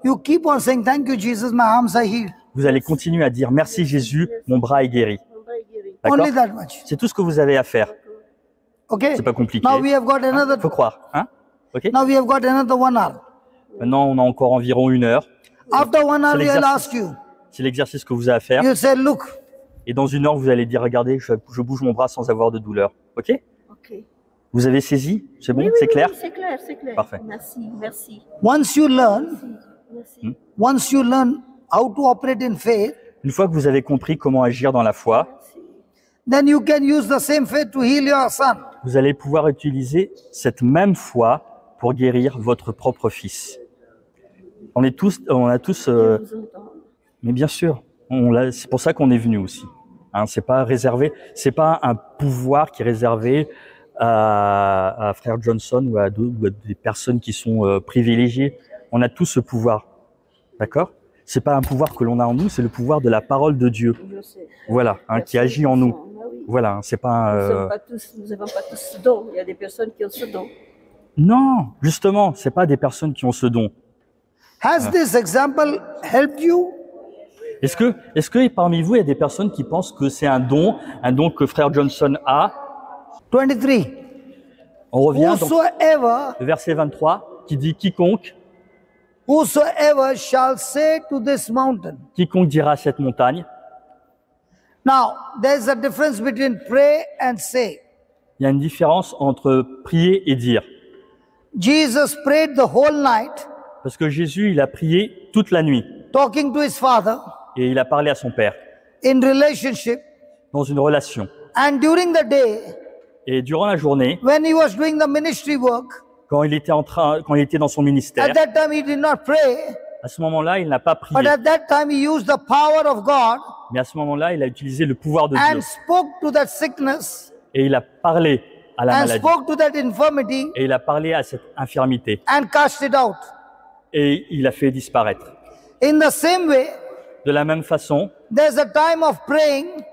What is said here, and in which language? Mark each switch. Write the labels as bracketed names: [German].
[English] You keep on saying thank you Jesus, my arms are healed. [French] Vous allez continuer à dire merci Jésus, mon bras est guéri. D'accord? [English] Only that much. [French] C'est tout ce que vous avez à faire. [English] Okay. [French] C'est pas compliqué. [English] Now we have got another. [French] Faut croire, hein? Okay. [English] Now we have got another 1 hour. [French] Maintenant, on a encore environ une heure. [English] After 1 hour, we'll ask you. [French] C'est l'exercice que vous avez à faire. [English] You say, look. [French] Et dans une heure, vous allez dire, regardez, je bouge mon bras sans avoir de douleur. [English] Ok? Ok. [French] Vous avez saisi? C'est bon? Oui, c'est clair? Oui, c'est clair, c'est clair. Parfait. Merci, merci. [English] Once you learn, [French] merci. [English] Once you learn how to operate in faith. [French] Une fois que vous avez compris comment agir dans la foi. Merci. [English] Then you can use the same faith to heal your son. [French] Vous allez pouvoir utiliser cette même foi pour guérir votre propre fils. Mais bien sûr, c'est pour ça qu'on est venu aussi. Hein, c'est pas un pouvoir qui est réservé à Frère Johnson ou à des personnes qui sont privilégiées. On a tous ce pouvoir. D'accord? C'est pas un pouvoir que l'on a en nous, c'est le pouvoir de la parole de Dieu. Voilà, hein, qui agit en nous. Voilà, c'est pas un. Nous n'avons pas tous ce don. Il y a des personnes qui ont ce don. Non, justement, c'est pas des personnes qui ont ce don. [English] Has this example helped you? [French] Est-ce que parmi vous, il y a des personnes qui pensent que c'est un don que Frère Johnson a? 23. On revient [English] donc. Whosoever. [French] Le verset 23 qui dit quiconque. [English] Whosoever shall say to this mountain. [French] Quiconque dira à cette montagne. [English] Now, there's a difference between pray and say. [French] Il y a une différence entre prier et dire. [English] Jesus prayed the whole night. [French] Parce que Jésus, il a prié toute la nuit. [English] Talking to his father. [French] Et il a parlé à son père. [English] In relationship. [French] Dans une relation. [English] And during the day. [French] Et durant la journée. [English] When he was doing the ministry work. [French] Quand il était dans son ministère. [English] At that time, he did not pray. [French] À ce moment-là, il n'a pas prié. [English] But at that time, he used the power of God. [French] Mais à ce moment-là, il a utilisé le pouvoir de Dieu. [English] And spoke to that sickness. [French] Et il a parlé à la [English] and [French] maladie. [English] Spoke to that infirmity. [French] Et il a parlé à cette infirmité. [English] And cast it out. [French] Et il a fait disparaître. [English] In the same way. [French] De la même façon. [English] There's a time of praying.